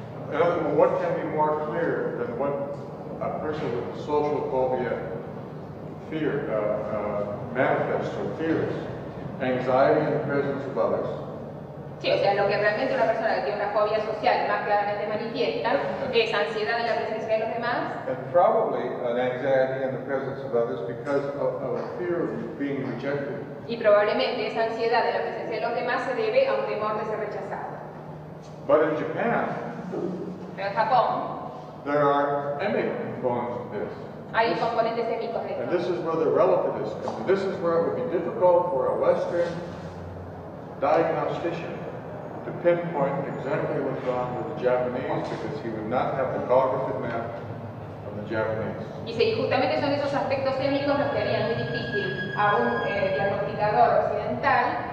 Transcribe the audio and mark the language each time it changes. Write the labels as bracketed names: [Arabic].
[English] And what can be more clear than what a person with social phobia fear, manifests or fears, anxiety in the presence of others. [Spanish] Sí, o sea, lo que realmente una persona que tiene una fobia social más claramente manifiesta es ansiedad en la presencia de los demás. [English] And probably an anxiety in the presence of others because of a fear of being rejected. [Spanish] Y probablemente esa ansiedad en la presencia de los demás se debe a un temor de ser rechazado. [English] But in Japan, [Spanish] pero en Japón, [English] there are emic components of this. This, and this is where the relativist comes. And this is where it would be difficult for a Western diagnostician to pinpoint exactly what's wrong with the Japanese because he would not have the cognitive map of the Japanese. [Spanish] Dice, y justamente son esos aspectos émicos los que harían muy difícil a un diagnosticador occidental